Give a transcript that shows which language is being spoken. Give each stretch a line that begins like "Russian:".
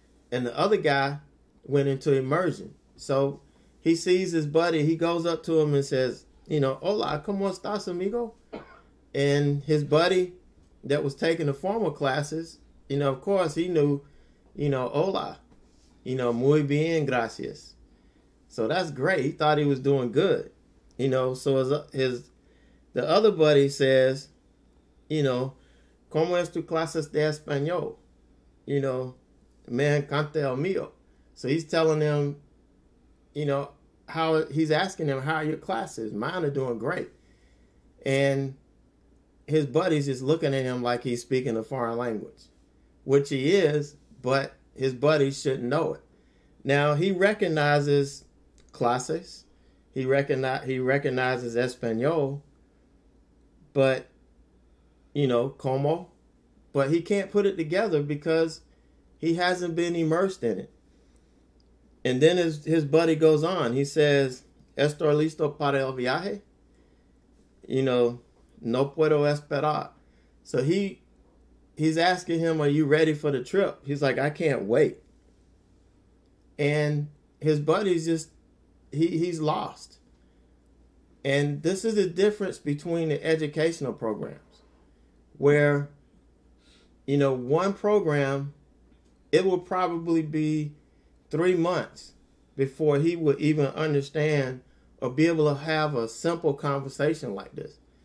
English: And the other guy went into immersion. So he sees his buddy. He goes up to him and says, you know,
Spanish: hola, ¿cómo estás, amigo?
English: And his buddy that was taking the formal classes, you know, of course, he knew, you know, hola. You know,
Spanish: muy bien, gracias.
English: So that's great. He thought he was doing good. You know, so the other buddy says, you know,
Spanish: ¿cómo es tu clases de español?
English: You know,
Spanish: me encanta el mío.
English: So he's telling them, you know, he's asking them, how are your classes? Mine are doing great. And his buddy's just looking at him like he's speaking a foreign language, which he is, but his buddy shouldn't know it. Now, he recognizes clases. He recognizes Espanol. But, you know, como. But he can't put it together because he hasn't been immersed in it. And then his buddy goes on. He says,
Spanish: ¿Estoy listo para el viaje?
English: You know,
Spanish: no puedo esperar.
English: So he's asking him, are you ready for the trip? He's like, I can't wait. And his buddy's just, he's lost. And this is the difference between the educational programs, where, you know, one program, it will probably be 3 months before he will even understand or be able to have a simple conversation like this.